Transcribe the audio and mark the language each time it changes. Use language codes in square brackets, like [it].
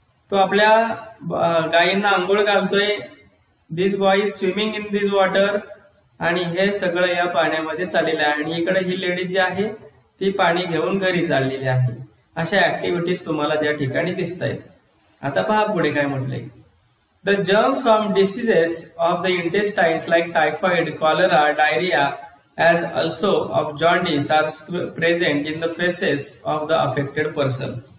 [mr] तो आपल्या गायींना आंघोळ घालतोय. [en] This boy is swimming in this water. [mr] आणि हे सगळं या पाण्यामध्ये चाललेलं आहे. आणि इकडे ही लेडीज जी आहे ती पाणी घेऊन घरी चाललेली आहे. अशा ऍक्टिव्हिटीज तुम्हाला त्या ठिकाणी दिसत आहेत. आता पहा पुढे काय म्हटलंय. [en] The germs of diseases of the intestines like typhoid, cholera, diarrhoea as also of jaundice are present in the faces of the affected person.